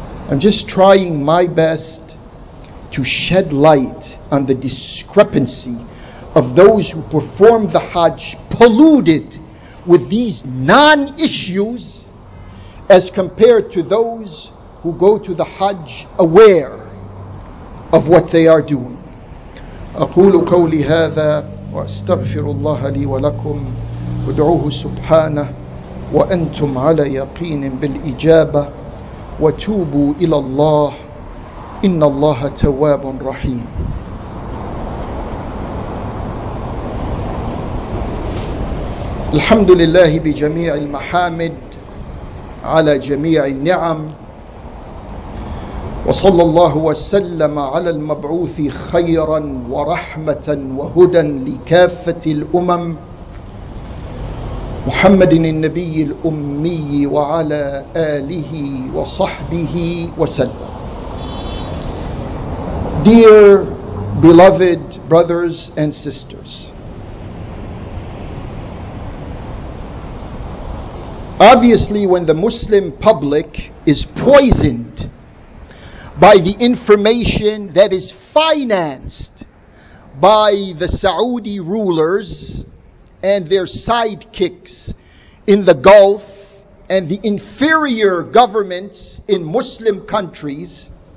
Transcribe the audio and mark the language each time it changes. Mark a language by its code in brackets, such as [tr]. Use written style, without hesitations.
[en] I'm just trying my best to shed light on the discrepancy of those who perform the Hajj polluted with these non-issues as compared to those who go to the Hajj aware of what they are doing. [ar] أقول قولي هذا وأستغفر الله لي ولكم ودعوه سبحانه وأنتم على يقين بالإجابة وتوبوا إلى الله إن الله تواب رحيم. الحمد لله بجميع المحامد على جميع النعم وصلى الله وسلم على المبعوث خيرا ورحمة وهدى لكافة الأمم محمد النبي الأمي وعلى آله وصحبه وسلم. [en] Dear beloved brothers and sisters, obviously when the Muslim public is poisoned by the information that is financed by the Saudi rulers and their sidekicks in the Gulf and the inferior governments in Muslim countries,